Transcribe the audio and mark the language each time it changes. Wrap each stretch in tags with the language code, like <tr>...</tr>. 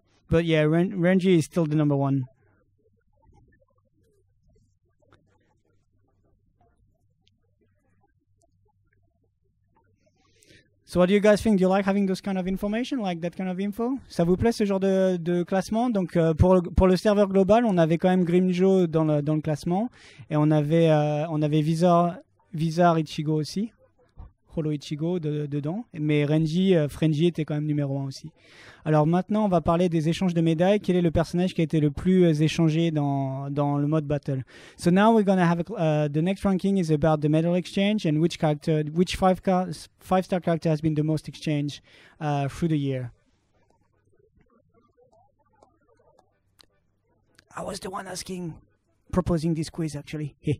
<en>But yeah, Renji is still the number one. So what do you guys think? Do you like having those kind of information, like that kind of info?</en> <fr>Ça vous plaît ce genre de classement? Donc pour le serveur global, on avait quand même Grimjo dans le classement et on avait Vizard Ichigo aussi, Holo Ichigo dedans, mais Frenji était quand même numéro 1 aussi. Alors maintenant, on va parler des échanges de médailles. Quel est le personnage qui a été le plus échangé dans le mode battle?</fr> <en>So now we're going to have the next ranking is about the medal exchange and which five-star character has been the most exchanged through the year. I was the one proposing this quiz, actually.</en>